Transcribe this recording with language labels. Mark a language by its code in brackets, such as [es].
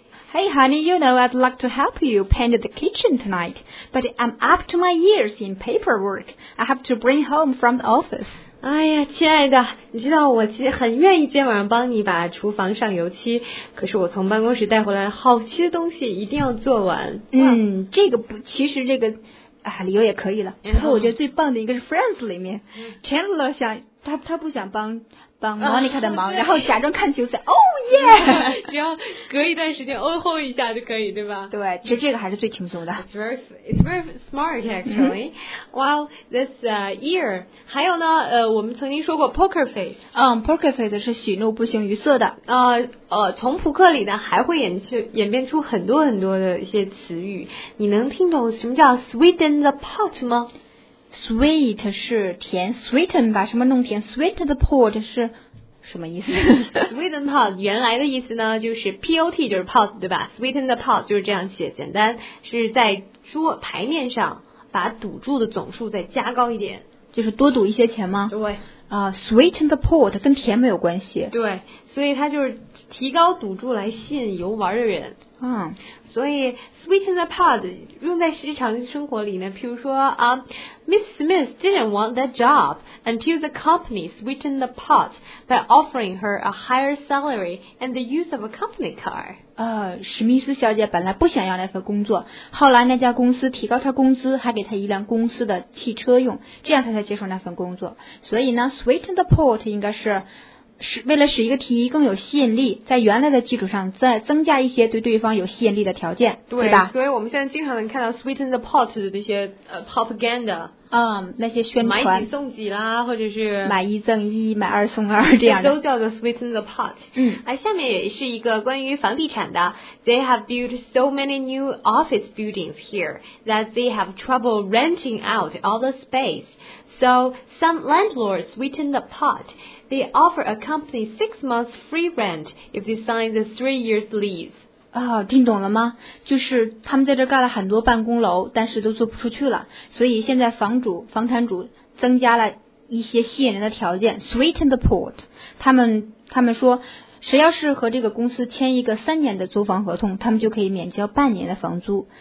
[en] Hey honey, you know I'd like to help you paint the kitchen tonight, but I'm up to my ears in paperwork. I have to bring home from the office. [zh] 哎呀，亲爱的，你知道我其实很愿意今天晚上帮你把厨房上油漆，可是我从办公室带回来好漆的东西一定要做完。这个不，其实这个理由也可以了。然后我觉得最棒的一个是 Friends 里面 Chandler 想他不想帮 Monica 的忙，然后假装看球赛。只要隔一段时间哦吼一下就可以，对吧？对，其实这个还是最轻松的。 [en] It's very smart actually. Well, this ear. [zh] 还有呢，我们曾经说过 [en] poker face. Poker face [zh] 是喜怒不形于色的。从扑克里呢还会演变出很多很多的一些词语。你能听懂什么叫 [en] sweeten the pot [zh] 吗？ Sweet 是甜 ，sweeten 把什么弄甜 ， [en] sweeten the pot [zh] 是什么意思？ [en] Sweeten pot [zh] 原来的意思呢，就是 pot 就是 pot 对吧 ？ [en] Sweeten the pot [zh] 就是这样写，简单是在桌牌面上把赌注的总数再加高一点，就是多赌一些钱吗？对。 [en] Sweeten the pot [zh] 跟甜没有关系。对，所以它就是提高赌注来吸引游玩的人。所以 [en] sweeten the pot [zh] 用在日常生活里呢，譬如说 [en] Miss Smith didn't want that job until the company sweetened the pot by offering her a higher salary and the use of a company car. [zh] 史密斯小姐本来不想要那份工作，后来那家公司提高她工资，还给她一辆公司的汽车用，这样她才接受那份工作。所以呢 [en] sweeten the pot [zh] 应该是为了使一个提议更有吸引力，在原来的基础上再增加一些对对方有吸引力的条件，对，对吧？所以我们现在经常能看到 [en] sweeten the pot [zh] 的那些propaganda，嗯，那些宣传买几送几啦，或者是买一赠一买二送二这样的，都叫做 [en] sweeten the pot。 [zh] 嗯，哎，下面也是一个关于房地产的。 [en] They have built so many new office buildings here that they have trouble renting out all the space. So some landlords sweeten the pot. They offer a company 6 months free rent if they sign the 3 years lease. [zh] 啊，听懂了吗？就是他们在这盖了很多办公楼，但是都租不出去了，所以现在房产主增加了一些吸引人的条件 ， [en] sweeten the pot. [zh] 他们说，谁要是和这个公司签一个3年的租房合同，他们就可以免交半年的房租。